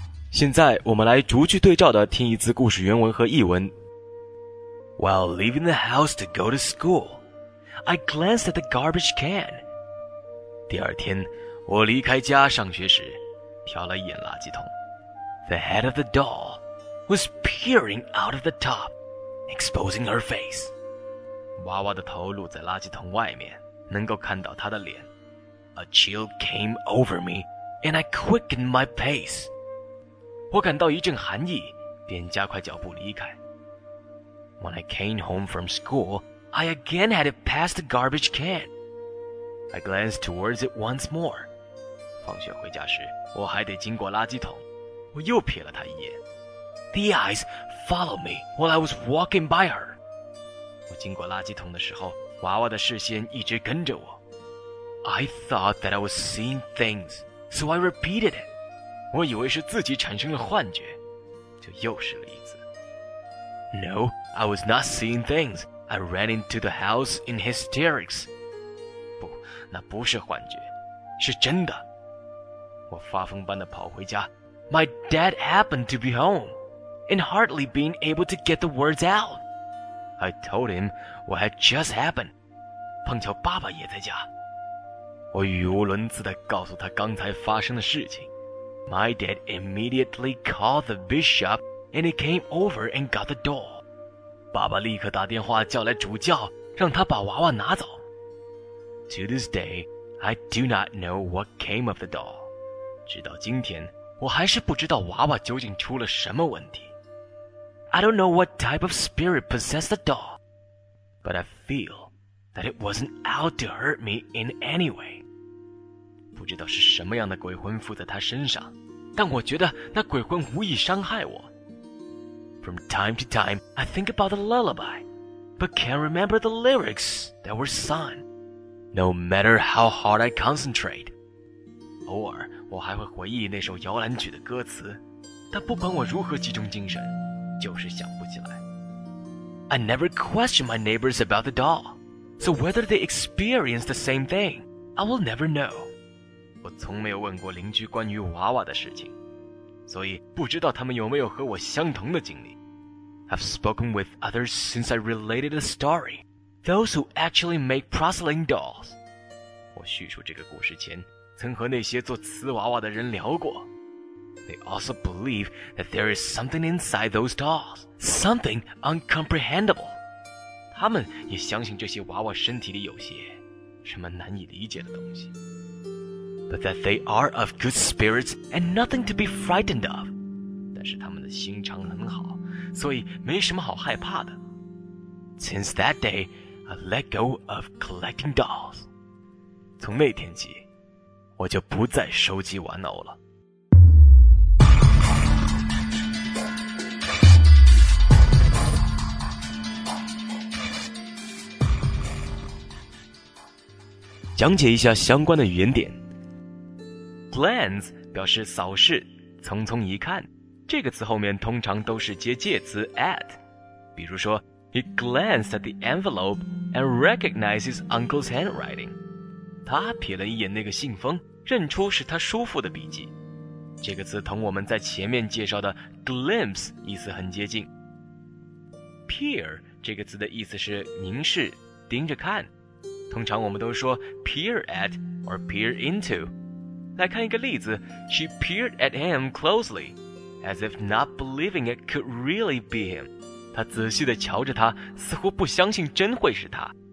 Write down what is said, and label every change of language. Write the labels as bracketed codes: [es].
[zh] 现在我们来逐句对照的听一次故事原文和译文。 [en] While leaving the house to go to school, I glanced at the garbage can. [zh] 第二天，我离开家上学时，瞟了一眼垃圾桶。 [en] The head of the doll was peering out of the top, exposing her face. [zh] 娃娃的头露在垃圾桶外面，能够看到她的脸。 [en] A chill came over me, and I quickened my pace. [zh] 我感到一阵寒意，便加快脚步离开。 [en] When I came home from school, I again had it past the garbage can. I glanced towards it once more. [zh] 放学回家时，我还得经过垃圾桶，我又瞥了他一眼。 [en] The eyes followed me while I was walking by her. [zh] 我经过垃圾桶的时候，娃娃的视线一直跟着我。 [en] I thought that I was seeing things, so I repeated it. [zh] 我以为是自己产生了幻觉，就又试了一次。 [en] No, I was not seeing things. I ran into the house in hysterics. [zh] 不，那不是幻觉，是真的。我发疯般地跑回家。 [en] My dad happened to be home, and hardly being able to get the words out. I told him what had just happened. [zh] 碰巧爸爸也在家。我语无伦次地告诉他刚才发生的事情。 [en] My dad immediately called the bishop and he came over and got the doll. [zh] 爸爸立刻打电话叫来主教，让他把娃娃拿走。 [en] To this day, I do not know what came of the doll. [zh] 直到今天，我还是不知道娃娃究竟出了什么问题。 [en] I don't know what type of spirit possessed the doll, but I feel... that it wasn't out to hurt me in any way. [zh] 不知道是什么样的鬼魂附在他身上，但我觉得那鬼魂无意伤害我。 [en] From time to time, I think about the lullaby, but can't remember the lyrics that were sung. No matter how hard I concentrate. [zh] 偶尔，我还会回忆那首摇篮曲的歌词，但不管我如何集中精神，就是想不起来。 [en] I never question my neighbors about the doll. So whether they experience the same thing, I will never know. [zh] 我从没有问过邻居关于娃娃的事情，所以不知道他们有没有和我相同的经历。 [en] I've spoken with others since I related the story, those who actually make porcelain dolls. [zh] 我叙述这个故事前，曾和那些做瓷娃娃的人聊过。 [en] They also believe that there is something inside those dolls, something uncomprehendable. [zh] 他们也相信这些娃娃身体里有些什么难以理解的东西。 [en] But that they are of good spirits and nothing to be frightened of. [zh] 但是他们的心肠很好，所以没什么好害怕的。 [en] Since that day, I let go of collecting dolls. [zh] 从那天起，我就不再收集玩偶了。讲解一下相关的语言点。 Glance 表示扫视，匆匆一看，这个词后面通常都是接介词 at。比如说 [en] He glanced at the envelope and recognized his uncle's handwriting. [zh] 他瞥了一眼那个信封，认出是他叔父的笔记。这个词同我们在前面介绍的 glimpse 意思很接近。 Peer 这个词的意思是凝视，盯着看，通常我们都说 [en] peer at or peer into. [zh] 来看一个例子， [en] She peered at him closely, as if not believing it could really be him. [zh] 她仔细地瞧着他，似乎不相信真会是他。